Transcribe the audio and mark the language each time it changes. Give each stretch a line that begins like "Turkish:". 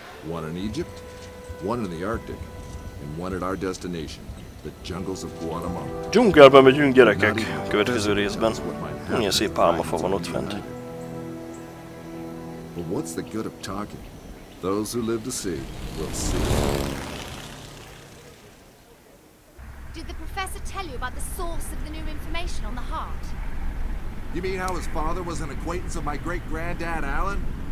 English: One in Egypt, one in the Arctic, and one at our destination, the jungles of Guatemala.
Hungarian: Dzsungelbe megyünk, gyerekek, következő részben. Milyen szép pálmafa van ott fent.
English: But what's the good of talking? Those who live to see will see. Did the professor tell you about the source of the new information on the heart? You mean how his father was an acquaintance of my great-granddad, Alan?